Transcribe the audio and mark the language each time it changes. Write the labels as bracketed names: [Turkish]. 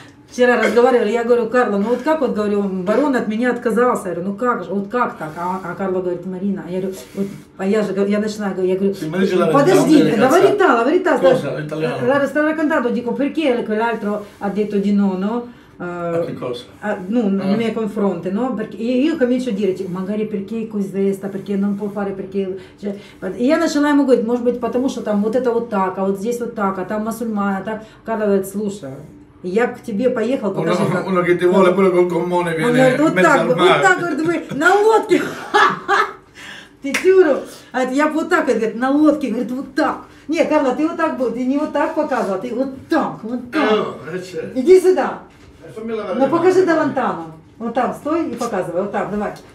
[Russian] Вчера разговаривали, я говорю, Карло, ну вот как вот, говорю, барон от меня отказался. Я говорю, ну как же, вот как так? А Карло говорит, Марина, я начинаю, говорю, подожди, говорит, [Italian] a che cosa? Non mi confronti, no? Perché io comincio a dire, magari perché questa, perché non può fare, perché... Cioè, e io [Russian] начала ему говорить, может быть, потому что там вот это вот так, а вот здесь вот так, а там мусульмане, а так... Карла говорит, слушай, я к тебе поехал, покажи... [Italian] Uno che ti vuole pure col gommone viene mezzo al mare. [Russian] Вот так, говорит, мы на лодке, ха-ха-ха, петюру, а я бы вот так, говорит, на лодке, говорит, вот так. Не, Карла, ты вот так был, ты не вот так показывал, ты вот так. Иди сюда. Ну покажи Далантану. Вот там стой и показывай. Вот так, давай.